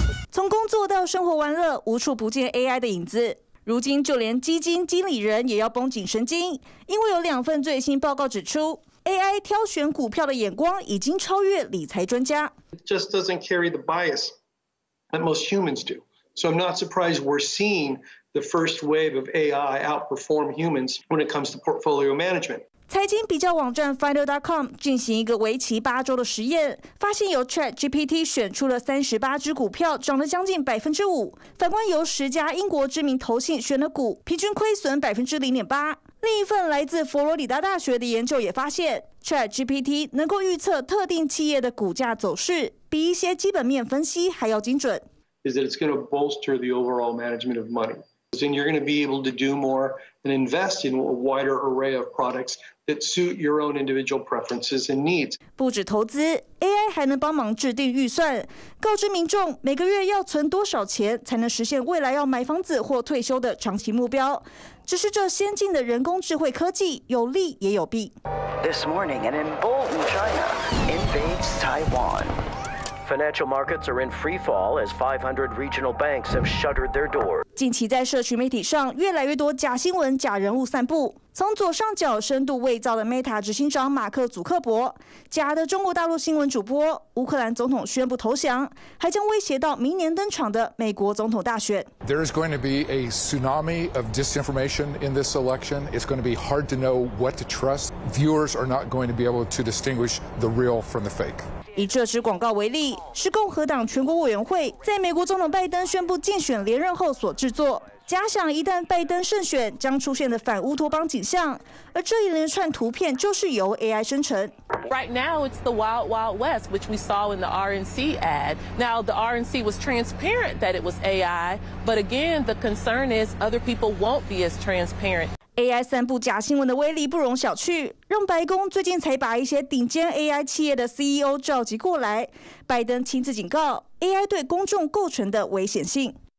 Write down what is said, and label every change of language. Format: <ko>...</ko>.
<zh>从工作到生活玩乐，无处不见 AI 的影子。如今就连基金经理人也要绷紧神经，因为有两份最新报告指出。 AI 挑选股票的眼光已经超越理财专家。</zh> <en>It just doesn't carry the bias that most humans do. So I'm not surprised we're seeing the first wave of AI outperform humans when it comes to portfolio management.</en> <zh>财经比较网站 Finder.com 进行一个为期8周的实验，发现由 ChatGPT 选出了38只股票，涨了将近5%。反观由10家英国知名投信选的股，平均亏损0.8%。另一份来自佛罗里达大学的研究也发现 ，ChatGPT 能够预测特定企业的股价走势，比一些基本面分析还要精准。</zh> <en>Is that it's going to bolster the overall management of money? Then you're going to be able to do more and invest in a wider array of products that suit your own individual preferences and needs.</en> <zh>不止投资 ，AI 还能帮忙制定预算，告知民众每个月要存多少钱才能实现未来要买房子或退休的长期目标。只是这先进的人工智慧科技有利也有弊。</zh> <en>This morning, an emboldened China invades Taiwan. Financial markets are in free fall as 500 regional banks have shuttered their doors.</en> <zh>近期在社群媒体上，越来越多假新闻、假人物散布。从左上角深度伪造的 Meta 执行长马克·祖克伯，假的中国大陆新闻主播，乌克兰总统宣布投降，还将威胁到明年登场的美国总统大选。</zh> <en>There is going to be a tsunami of disinformation in this election. It's going to be hard to know what to trust. Viewers are not going to be able to distinguish the real from the fake.</en> <zh>以这支广告为例，是共和党全国委员会在美国总统拜登宣布竞选连任后所制作。假想一旦拜登胜选，将出现的反乌托邦景象，而这一连串图片就是由 AI 生成。</zh> <en>Right now, it's the Wild Wild West, which we saw in the RNC ad. Now, the RNC was transparent that it was AI, but again, the concern is other people won't be as transparent.</en> <zh>AI 散布假新闻的威力不容小觑，让白宫最近才把一些顶尖 AI 企业的 CEO 召集过来，拜登亲自警告 AI 对公众构成的危险性。</zh>